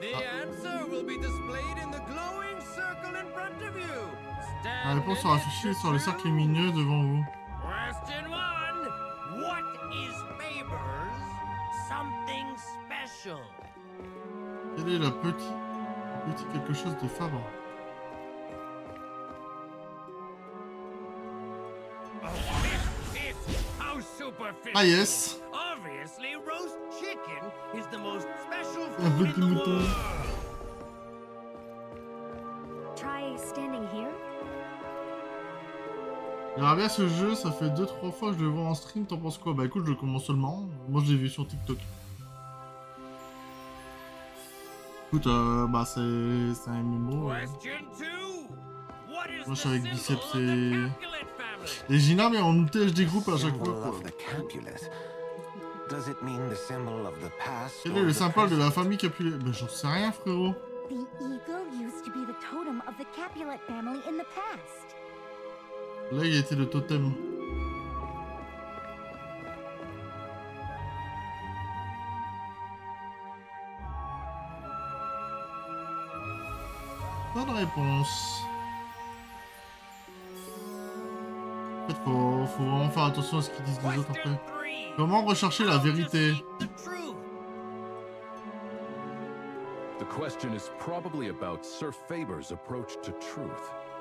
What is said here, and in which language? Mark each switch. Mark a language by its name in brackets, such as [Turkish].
[English] The answer will be displayed in the glowing circle in front of you. [French] La réponse sera affichée sur le cercle lumineux devant vous. [English] Question 1. What is Faber's something special? [French] Quelle est la petite. Petit quelque chose de Fabre. [English] Ah yes. Obviously, roast chicken is the most special food in the world. Try standing here. [French] J'aimerais bien ce jeu, ça fait 2-3 fois que je le vois en stream, t'en penses quoi? Bah écoute, je le commence seulement. Moi je l'ai vu sur TikTok. Écoute, bah c'est un MMO. Ouais. Moi je suis avec Biceps et. Et Gina, mais on nous tèche des groupes à chaque fois. Quel est le symbole de la famille Capulet? Bah j'en sais rien, frérot. [English] The eagle used to be the totem of the Capulet family in the past. [French] Là, il était le totem. Pas de réponse. Peut-être faut vraiment faire attention à ce qu'ils disent les autres après. Comment rechercher la vérité? [English] The question is probably about Sir Faber's approach to truth.